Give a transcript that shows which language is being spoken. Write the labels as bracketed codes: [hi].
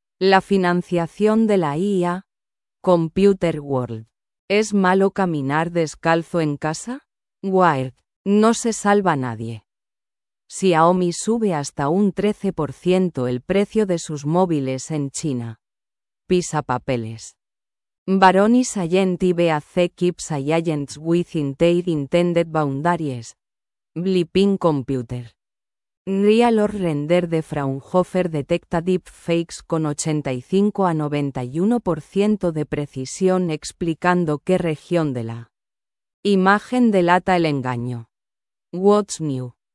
[es] La financiación de la IA. Computer World. ¿Es malo caminar descalzo en casa? Wired. No se salva nadie. Xiaomi sube hasta un 13% el precio de sus móviles en China. Pisa papeles. [en] Varonis Agent IBAC keeps agents within their intended boundaries. Bleeping Computer. [es] Real or render de Fraunhofer detecta deepfakes con 85 a 91% de precisión, explicando qué región de la imagen delata el engaño. [en] What's new?